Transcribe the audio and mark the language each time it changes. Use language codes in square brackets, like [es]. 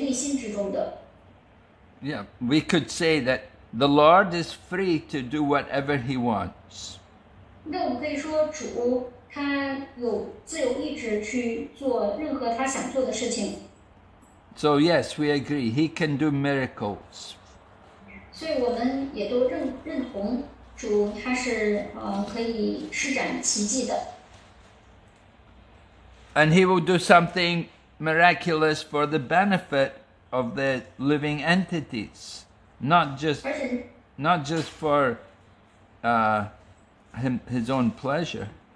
[zh] 那就即便是在Krishna的仁慈之下，也许可能我们能够通过双眼见到他，但是呢，这种感受到的极乐之感，它是来自于内心之中的。 [en] Yeah, we could say that the Lord is free to do whatever He wants. [zh] 那我们可以说主，他有自由意志去做任何他想做的事情。 [en] So yes, we agree. He can do miracles. [zh] 所以我们也都认同主，他是可以施展奇迹的。 [en] And he will do something miraculous for the benefit of the living entities, not just for his own pleasure.